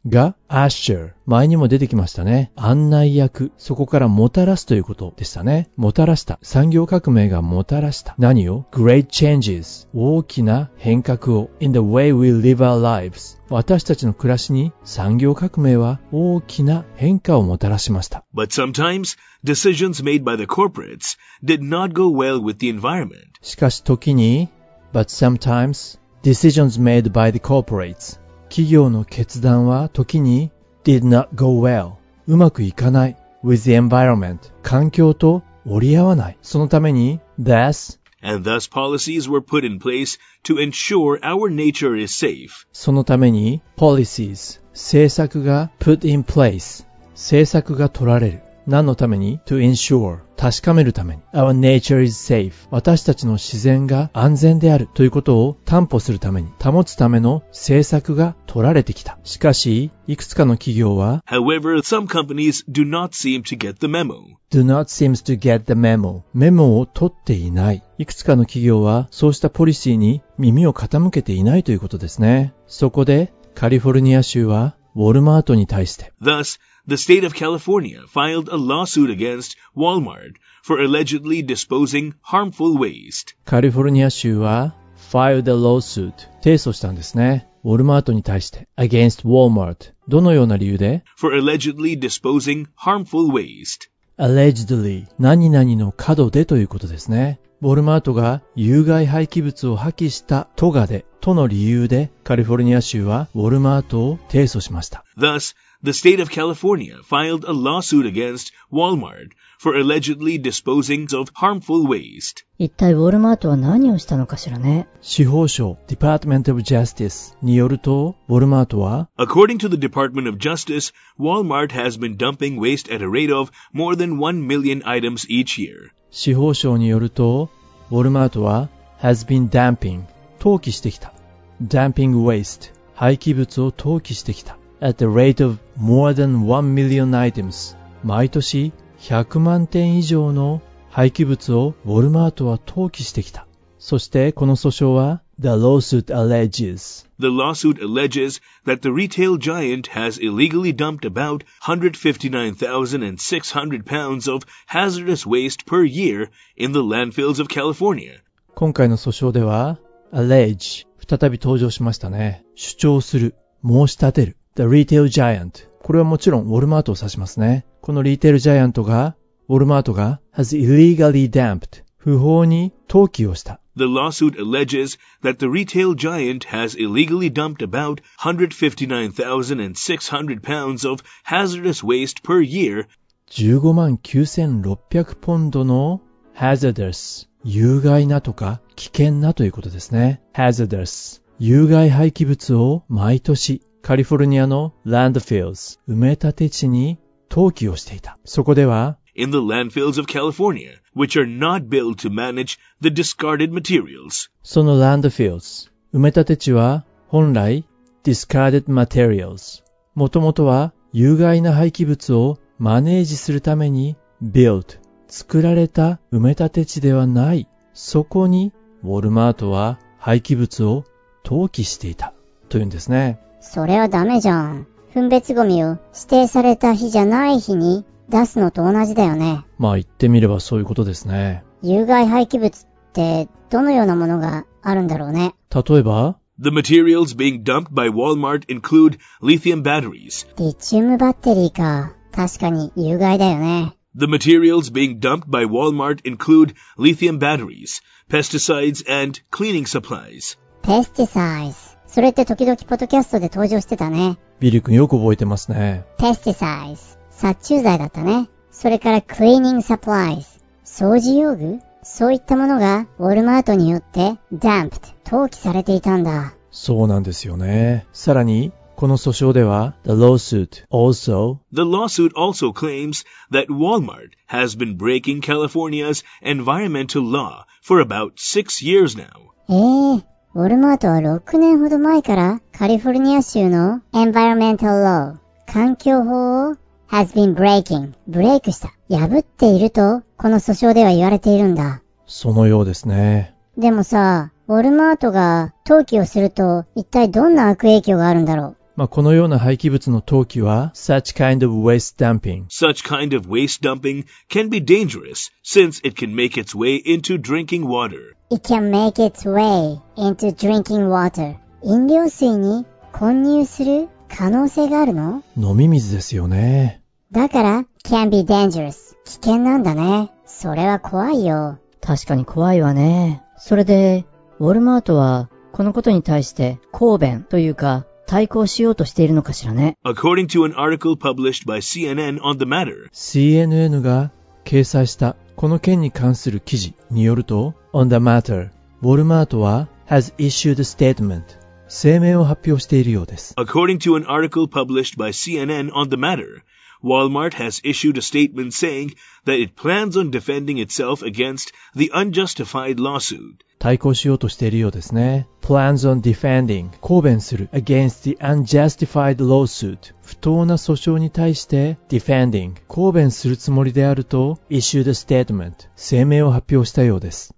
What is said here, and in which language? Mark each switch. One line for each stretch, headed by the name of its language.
Japanese: が usher、 前にも出てきましたね。案内役、そこからもたらすということでしたね。もたらした、産業革命がもたらした、何を？
English: Great changes、
Japanese: 大きな変革を。
English: In the way we live our lives、
Japanese: 私たちの暮らしに産業革命は大きな変化をもたらしました。
English: But sometimes decisions made by the corporates did not go well with the environment。
Japanese: しかし時に、
English: But sometimes decisions made by the corporates、
Japanese: 企業の決断は時に
English: did not go well、
Japanese: うまくいかない、
English: with the environment、
Japanese: 環境と折り合わない。そのために thus、
English: and thus policies were put in place to ensure our nature is safe。
Japanese: そのために policies、 政策が
English: put in place、
Japanese: 政策が取られる。何のために？
English: To ensure、
Japanese: 確かめるために。
English: Our nature is safe、
Japanese: 私たちの自然が安全であるということを担保するために、保つための政策が取られてきた。しかし、いくつかの企業は
English: However, some companies do not seem to get the memo. Do not seems to get the memo.
Japanese: メモを取っていない、いくつかの企業はそうしたポリシーに耳を傾けていないということですね。そこでカリフォルニア州はウォルマートに対して
English: Thus,The state of California filed a lawsuit against Walmart for allegedly disposing harmful waste.
Japanese: カリフォルニア州は
English: filed a lawsuit、
Japanese: 提訴したんですね。ウォルマートに対して
English: against Walmart、
Japanese: どのような理由で
English: for allegedly disposing harmful waste。
Japanese: Allegedly、 何々の角でということですね。ウォルマートが有害廃棄物を破棄したとがで、との理由でカリフォルニア州はウォルマートを提訴しました。
English: Thus,The state of California filed a lawsuit against Walmart for allegedly disposing of harmful waste.
Japanese: 一体ウォルマートは何をしたのかしらね。司法省 Department of Justice によるとウォルマートは
English: According to the Department of Justice, Walmart has been dumping waste at a rate of more than 1 million items each year.
Japanese: 司法省によるとウォルマートは
English: has been dumping、
Japanese: 投棄してきた。
English: Dumping waste、
Japanese: 廃棄物を投棄してきた。
English: At the rate of more than 1 million items.
Japanese: 毎年100万点以上の廃棄物をウォルマートは投棄してきた。そしてこの訴訟は
English: The lawsuit alleges The lawsuit alleges that the retail giant has illegally dumped about 159,600 pounds of hazardous waste per year in the landfills of California.
Japanese: 今回の訴訟では allege 再び登場しましたね。主張する、申し立てる。
English: The retail giant、
Japanese: これはもちろんウォルマートを指しますね。このリテールジャイアントが、ウォルマートが
English: has illegally dumped、
Japanese: 不法に投棄をした。
English: The lawsuit alleges that the retail giant has illegally dumped about 159,600 pounds of hazardous waste per year。
Japanese: 159,600 ポンドの hazardous、 有害なとか危険なということですね。 hazardous、 有害廃棄物を毎年カリフォルニアの landfills、 埋め立て地に投棄をしていた。そこでは
English: In the landfills of California, which are not built to manage the discarded materials。
Japanese: その landfills、 埋め立て地は本来
English: discarded materials、
Japanese: もともとは有害な廃棄物をマネージするために built、 作られた埋め立て地ではない。そこにウォルマートは廃棄物を投棄していたというんですね。それはダメじゃん。分別ゴミを指定された日じゃない日に出すのと同じだよね。まあ言ってみればそういうことですね。有害廃棄物ってどのようなものがあるんだろうね。例えば
English: The materials being dumped by Walmart include lithium batteries.
Japanese: リチウムバッテリーか。確かに有害だよね。
English: The materials being dumped by Walmart include lithium batteries, pesticides and cleaning supplies. Pesticides.
Japanese: それって時々ポッドキャストで登場してたね。ビリ君よく覚えてますね。 Pesticides. 殺虫剤だったね。それから
English: cleaning supplies.
Japanese: 掃除用具？そういったものがウォルマートによって dumped、投棄されていたんだ。そうなんですよね。さらに、この訴訟では The lawsuit also
English: The lawsuit also claims that Walmart has been breaking California's environmental law for about 6 years now.
Japanese: ウォルマートは6年ほど前からカリフォルニア州の
English: environmental law、
Japanese: 環境法を
English: has been breaking、
Japanese: ブレイクした。破っていると、この訴訟では言われているんだ。そのようですね。でもさ、ウォルマートが投棄をすると、一体どんな悪影響があるんだろう。まあ、このような廃棄物の投棄は、
English: such kind of waste dumping。 such kind of waste dumping can be dangerous, since it can make its way into drinking water. It can make its way into drinking water.
Japanese: 飲料水に混入する可能性があるの？飲み水ですよね。だから、
English: can be dangerous。
Japanese: 危険なんだね。それは怖いよ。確かに怖いわね。それで、ウォルマートは、このことに対して、抗弁というか、対抗しようとしているのかしらね。
English: According to an article published by CNN on the matter,
Japanese: CNN が掲載した、この件に関する記事によると、
English: on the matter,
Japanese: ウォルマートは、
English: has issued a statement。
Japanese: 声明を発表しているようです。
English: According to an article published by CNN on the matter, Walmart has issued a statement saying that it plans on defending itself against the unjustified lawsuit.
Japanese: 対抗しようとしているようですね。
English: Plans on defending,
Japanese: 抗弁する
English: against the unjustified lawsuit.
Japanese: 不当な訴訟に対して defending, 抗弁するつもりであると
English: issued a statement,
Japanese: 声明を発表したようです。